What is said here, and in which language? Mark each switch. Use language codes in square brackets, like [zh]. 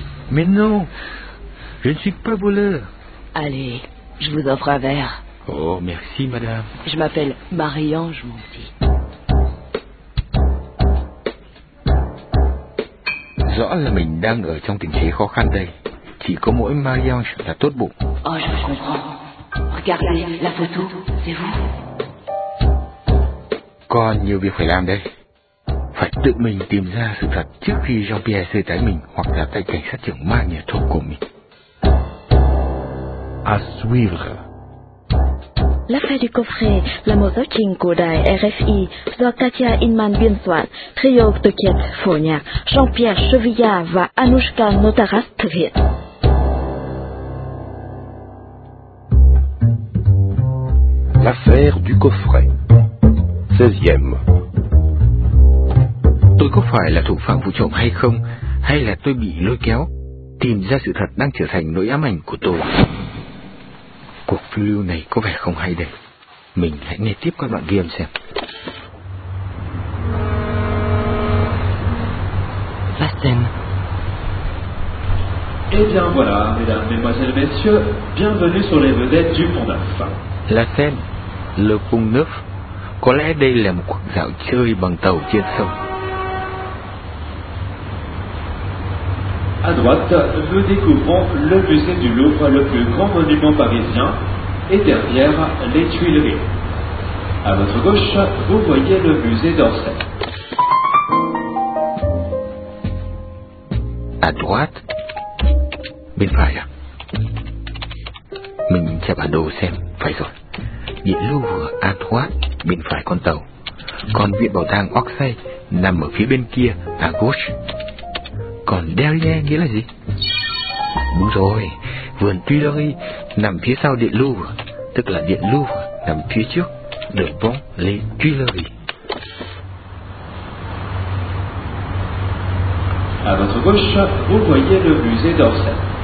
[fr] Mais non, je ne suis pas voleur. Allez, je vous offre un verre. Oh, merci, madame. Je m'appelle Marie-Ange, mon petit. [vi] Rõ là mình đang ở trong tình thế khó khăn đây. Chỉ có mỗi Marie-Ange là tốt bụng. [fr] Oh, je comprends. Regardez la photo, c'est vous. [vi] Còn nhiều việc phải làm đây. Phải tự mình tìm ra sự thật trước khi Jean-Pierre sơ tái mình hoặc là tay cảnh sát trưởng ma nhà thuốc của mình. [fr] À suivre. [vi] L'affaire du coffret là một giáo trình của đài RFI do Katia Inman biên soạn, Rio Tuket phổ nhạc, Jean-Pierre Chevilla và Anushka Notaras thực hiện. [fr] L'affaire du coffret 16e. [vi] Tôi có phải là thủ phạm vụ trộm hay không, hay là tôi bị lôi kéo, tìm ra sự thật đang trở thành nỗi ám ảnh của tôi. Cuộc phiêu lưu này có vẻ không hay đấy. Mình hãy nghe tiếp các đoạn ghi âm xem. [fr] La scène. Eh bien voilà, mesdames, mesdemoiselles, messieurs, bienvenue sur les vedettes du Pont Neuf. La scène, le Pont Neuf. [vi] Có lẽ đây là một cuộc dạo chơi bằng tàu trên sông. [fr] À droite, nous découvrons le musée du Louvre, le plus grand monument parisien, et derrière, les Tuileries. À votre gauche, vous voyez le musée d'Orsay. À droite, [vi] bên phải à. Mình sẽ bản đồ xem, phải rồi. Điện Louvre, [fr] à droite, [vi] bên phải con tàu. Còn viện bảo tàng Orsay nằm ở phía bên kia, [fr] à gauche. [vi] Còn derrière nghĩa là gì? Đúng rồi, vườn Tuileries nằm phía sau điện Louvre, tức là điện Louvre nằm phía trước, Le Pont les Tuileries. [fr] À votre gauche, vous voyez le musée d'Orsay.